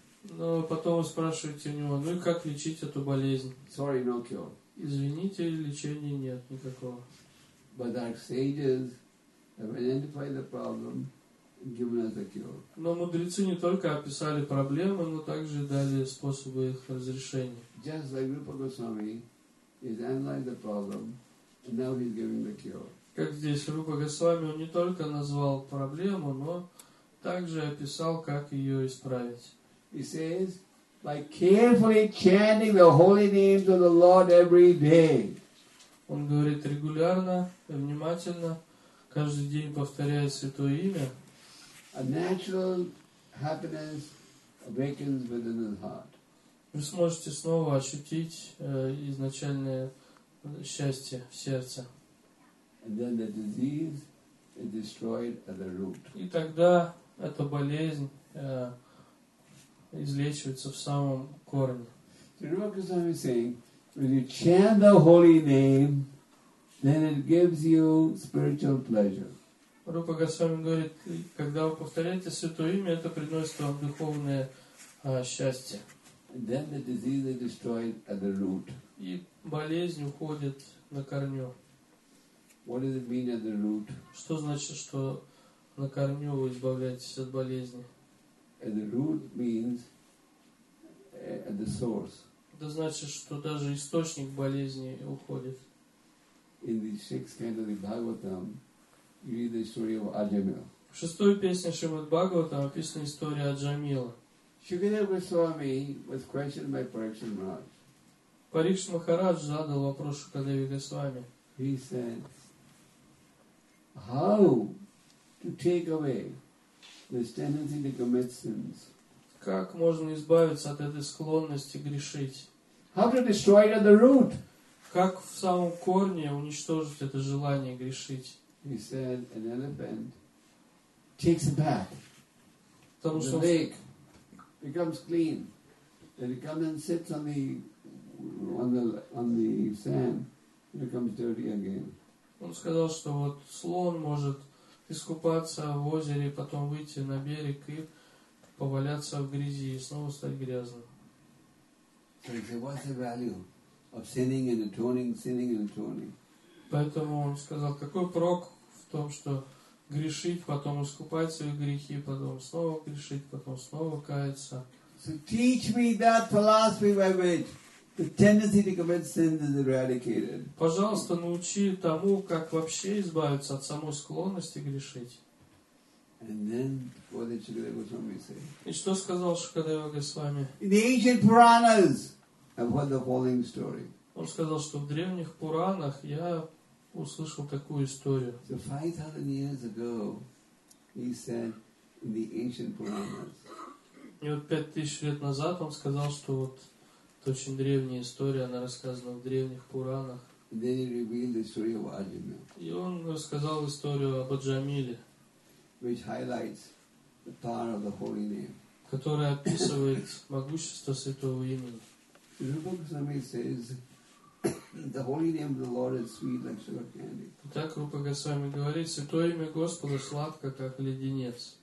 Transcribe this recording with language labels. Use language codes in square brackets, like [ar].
[ru] Но потом вы спрашиваете у него, ну и как лечить эту болезнь? [en] Sorry, no cure. [ru] Извините, лечения нет никакого. [en] But our sages have identified the problem and given us a cure. [ru] Но мудрецы не только описали проблемы, но также дали способы их разрешения. [en] Just like Rupa Goswami has analyzed the problem, and now he's giving the cure. [ru] Как здесь Рупа Госвами, он не только назвал проблему, но также описал, как ее исправить. [en] He says, by carefully chanting the holy names of the Lord every day. [ru] Он говорит регулярно, внимательно, каждый день повторяя святое имя. [en] A natural happiness awakens within his heart. [ru] Вы сможете снова ощутить изначальное счастье в сердце. [en] And then the disease is destroyed at the root. [ru] И тогда эта болезнь излечивается в самом корне. [en] When you chant the holy name, then it gives you spiritual pleasure. [ru] Рупа Госвами говорит, когда вы повторяете святое имя, это приносит вам духовное счастье. [en] Then the disease is destroyed at the root. [ru] И болезнь уходит на корню. [en] What does it mean at the root? [ru] Что значит, что на корню вы избавляетесь от болезни? [en] At the root means at the source. [ru] Это значит, что даже источник болезни уходит. [en] In the sixth canto of Bhagavatam, you read the story of Ajamila. [ru] В шестой песне Шримад Бхагаватам описана история Аджамила. [en] Shukadeva Goswami was questioned by Parikshit Maharaj. [ru] Парикшит Махарадж задал вопрос Шукадеве Госвами. [en] He said, how to take away this tendency to commit sins? [ru] Как можно избавиться от этой склонности грешить? [en] How to destroy it at the root? [ru] Как в самом корне уничтожить это желание грешить? [en] He said an elephant takes a bath. [ru] Потому [en] the lake becomes clean. Then it comes and sits on the sand and becomes dirty again. [ru] Он сказал, что вот слон может искупаться в озере, потом выйти на берег и поваляться в грязи и снова стать грязным. [en] So he said, what's the value of sinning and atoning, sinning and atoning? [ru] Поэтому он сказал, какой прок в том, что грешить, потом искупать свои грехи, потом снова грешить, потом снова каяться. [en] So teach me that philosophy by which the tendency to commit sin is eradicated. [ru] Пожалуйста, научи тому, как вообще избавиться от самой склонности грешить. [en] And then what did Shukadeva Goswami say? [ru] И что сказал Шукадева Госвами? [en] In the ancient Puranas, I've heard the following story. [ru] Он сказал, что в древних Пуранах я услышал такую историю. [en] So 5,000 years ago, he said in the ancient Puranas. [ru] И вот 5,000 лет назад он сказал, что вот это очень древняя история, она рассказана в древних Пуранах. [en] And then he revealed the story of Ajamila. [ru] И он рассказал историю об Аджамиле. [en] Which highlights the power of the holy name. [ru] Которая описывает могущество святого имени. [en] The Rupa Goswami says, the holy name of the Lord is sweet like sugar candy. [ru] Так Рупа Госвами говорит, святое имя Господа сладко, как леденец.